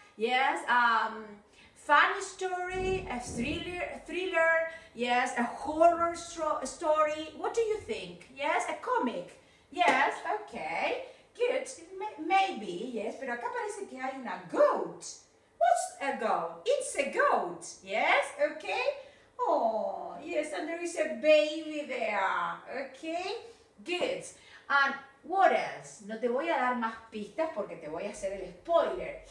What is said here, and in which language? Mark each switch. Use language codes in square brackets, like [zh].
[en] Yes, funny story, a thriller, yes, a horror story. What do you think? Yes, a comic. Yes, okay, good. Maybe, yes, [es] pero acá parece que hay una goat. [en] What's a goat? It's a goat. Yes, okay. Oh, yes, and there is a baby there. Okay, good. And what else? [es] No te voy a dar más pistas porque te voy a hacer el spoiler.